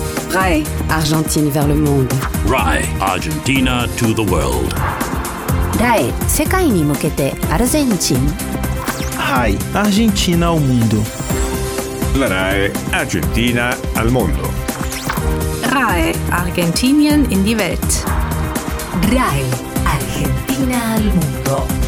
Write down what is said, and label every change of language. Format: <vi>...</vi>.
<fr>，RAI Argentine vers le monde.</fr> <en>RAI Argentina to the world.</en> <ja>RAI 世界に向けてアルゼンチン。</ja> <es>RAI Argentina al mundo.</es> <it>La RAI Argentina al mondo.</it> <de>RAI Argentinian in die Welt.</de> <es>RAI Argentina al mundo.</es>